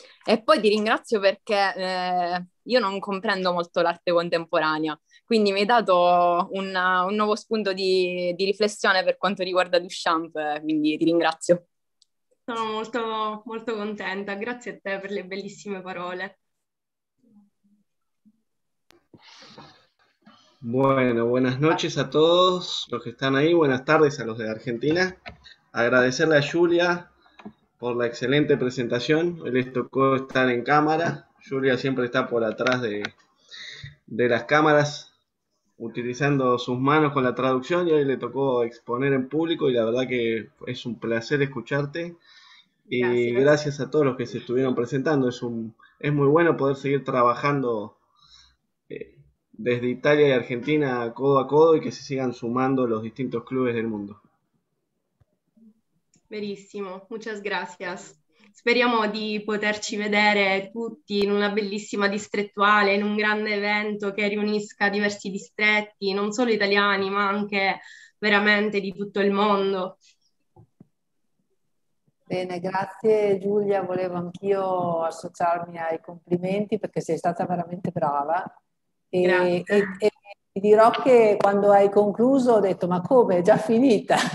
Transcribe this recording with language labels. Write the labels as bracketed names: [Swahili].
[Italian] E poi ti ringrazio perché io non comprendo molto l'arte contemporanea, quindi mi hai dato un nuovo spunto di riflessione per quanto riguarda Duchamp, quindi ti ringrazio. Sono molto, molto contenta, grazie a te per le bellissime parole. [Spanish] Bueno, buenas noches a todos los que están ahí, buenas tardes a los de Argentina. Agradecerle a Julia por la excelente presentación. Hoy les tocó estar en cámara. Julia siempre está por atrás de las cámaras utilizando sus manos con la traducción y hoy le tocó exponer en público y la verdad que es un placer escucharte. Y gracias a todos los que se estuvieron presentando. Es muy bueno poder seguir trabajando desde Italia y Argentina codo a codo y que se sigan sumando los distintos clubes del mundo. [Italian] Verissimo, [Spanish] muchas gracias. [Italian] Speriamo di poterci vedere tutti in una bellissima distrettuale, in un grande evento che riunisca diversi distretti, non solo italiani, ma anche veramente di tutto il mondo. Bene, grazie Giulia, volevo anch'io associarmi ai complimenti perché sei stata veramente brava e ti dirò che quando hai concluso ho detto ma come, è già finita?